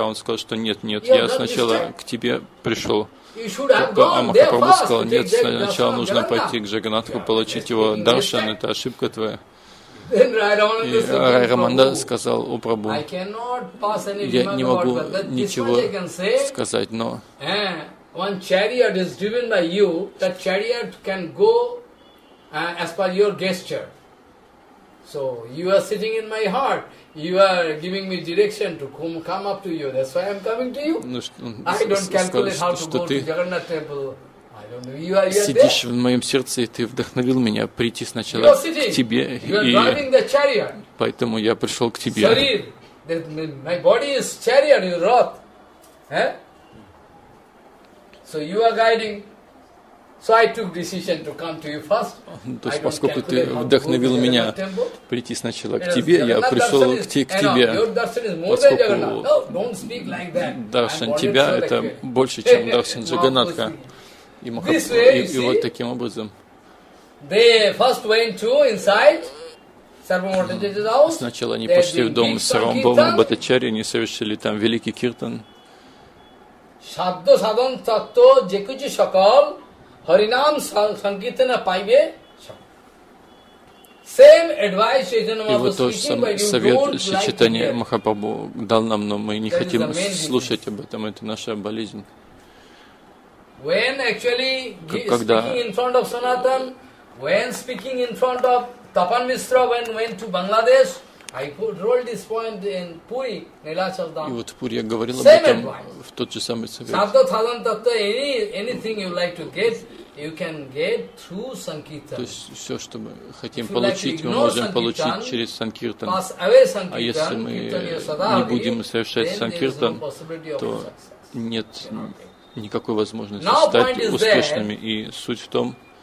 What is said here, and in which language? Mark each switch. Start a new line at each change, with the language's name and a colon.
Russian: Он сказал, что нет, я сначала к тебе пришел. А Махапрабху сказал, нет, сначала нужно пойти к Джаганнатху, получить его даршан, это ошибка твоя. И Рай Раманда сказал, о Прабху, я не могу ничего сказать, но
English: one chariot is driven by you, that chariot can go as per your gesture. So you are sitting in my heart. You are giving me direction to come up to you. That's why I'm coming to you. Ну, I don't calculate how to go to Jagannath temple. I don't know. You are here.
Russian: Сидишь в моем сердце, и ты вдохновил меня прийти сначала к тебе.
English: You are driving the chariot.
Russian: Поэтому я пришел к тебе.
English: Sharir, my body is chariot, you rot. So you are guiding. So I took decision to come to you first.
Russian: То есть, поскольку ты вдохновил меня прийти сначала к тебе, я пришел к тебе, поскольку даршан тебя – это больше, чем даршан Джаганнатха. И вот таким образом.
English: They first went to inside Sarvamurtaja's house.
Russian: Сначала они пошли в дом Сарвабхаума Бхаттачарьи, они совершили там великий киртан.
Bangla: Саддо садан татто джекучи шакал. Харинам Санкитана Пайве.
English: Same advice Chaitanya Mahaprabhu.
Russian: И вот тот же самый совет Шри Чайтанья Махапрабху дал нам, но мы не хотим слушать об этом, это наша болезнь.
English: When actually speaking in front of Sanatan, when speaking in front of Tapan Mishra, when went to Bangladesh, I rolled this point in Puri, Nilachal Dham.
Russian: И вот в Пури я говорил об этом, в тот же самый совет.
Bangla: Саддо садан татто,
English: anything you like to get, you can get through Sankirtan.
Russian: То есть все, что мы хотим получить, мы можем получить через Санкиртан. А если мы не будем совершать Санкиртан, то нет никакой возможности стать успешными. И суть в том,